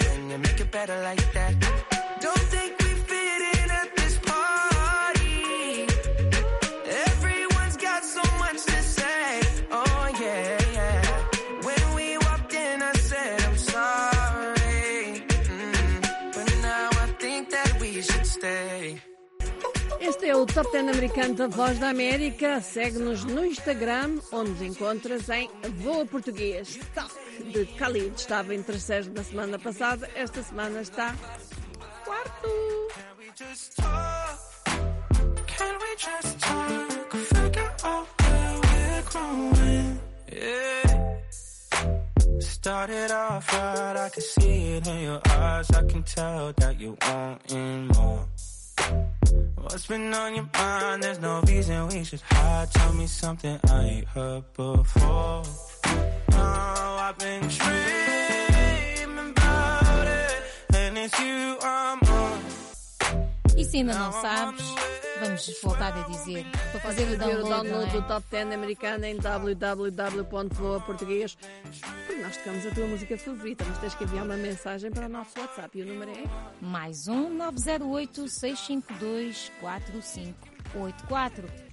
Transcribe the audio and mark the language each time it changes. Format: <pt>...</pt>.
<en>Can you make it better like that? Don't think we fit in at this party. Everyone's got so much to say. Oh yeah, yeah. When we walked in I said I'm sorry. But now I think that we should stay.</en> <pt>Este é o Top 10 Americano da Voz da América. Segue-nos no Instagram, onde nos encontras em Voa Português. Top de Khalid estava em terceiro na semana passada. Esta semana está quarto.</pt> <en>Can we just talk? Figure out where we're growing. Started off right, I can see it in your eyes. I can tell that you want more. What's been on your mind? There's no reason we should hide. Tell me something I ain't heard before. Oh, I've been dreaming about it. And it's you I'm on.</en> <pt>E se ainda não sabes, vamos voltar a dizer. Vou fazer o download do Top 10 americano em www.voaportugues.com. Porque nós tocamos a tua música favorita, mas tens que enviar uma mensagem para o nosso WhatsApp. E o número é? Mais um 908-652-4584.</pt>